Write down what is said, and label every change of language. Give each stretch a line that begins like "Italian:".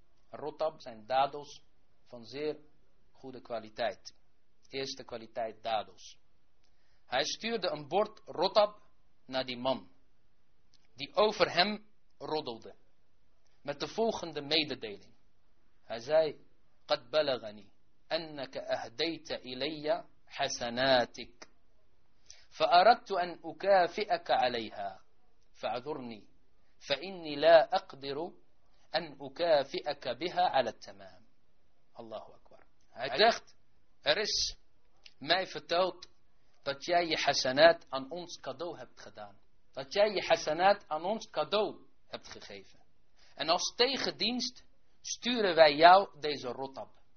Dutch: Rotab zijn dados van zeer goede kwaliteit. Eerste kwaliteit dados. Hij stuurde een bord rotab naar die man, die over hem roddelde, met de volgende mededeling. Hij zei:
Arabic: قد بلغني أنك أهديت إلي حسناتك فأردت أن أكافئك عليها فعذرني فإني لا أقدر أن أكافئك بها على التمام. الله أكبر.
Dutch: Hij zegt: er is mij verteld dat jij je hasanaat aan ons cadeau hebt gedaan. Dat jij je hasanaat aan ons cadeau hebt gegeven. En als tegendienst sturen wij jou deze rotab.